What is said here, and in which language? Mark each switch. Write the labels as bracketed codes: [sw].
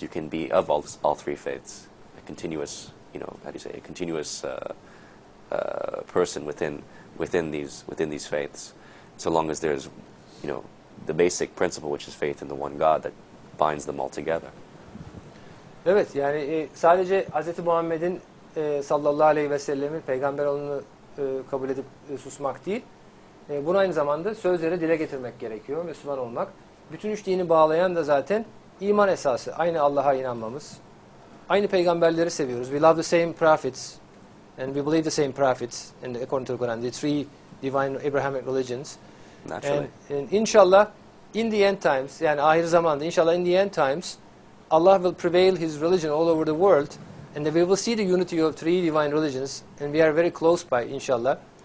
[en] You can be of all three faiths, a continuous, you know, how do you say, a continuous person within these faiths, so long as there's, you know, the basic principle, which is faith in the one God that binds them all together. [tr] Evet, yani sadece Hazreti Muhammed'in sallallahu aleyhi ve sellem'in peygamber olduğunu kabul edip susmak değil. Bunu aynı zamanda sözleri dile getirmek gerekiyor, Müslüman olmak. Bütün üç dini bağlayan da zaten iman esası, aynı Allah'a inanmamız. Aynı peygamberleri seviyoruz. [en] We love the same prophets and we believe the same prophets and according to the Quran, the three divine Abrahamic religions. Naturally. And inshallah, in the end times, [tr] yani ahir zamanda, [en] inshallah in the end times, Allah will prevail his religion all over the world and then we will see the unity of three divine religions and we are very close by, inshallah.